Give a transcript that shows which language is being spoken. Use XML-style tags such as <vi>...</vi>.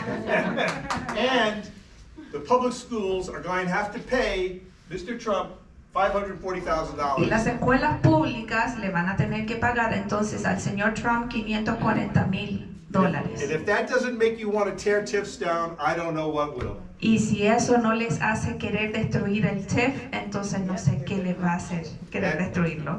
<en>And the public schools are going to have to pay Mr. Trump $540,000.</en> <es>Y las escuelas públicas le van a tener que pagar entonces al señor Trump $540,000.</es> <en>And if that doesn't make you want to tear TIFs down, I don't know what will.</en> <es>Y si eso no les hace querer destruir el TIF, entonces no sé qué les va a hacer querer destruirlo.</es>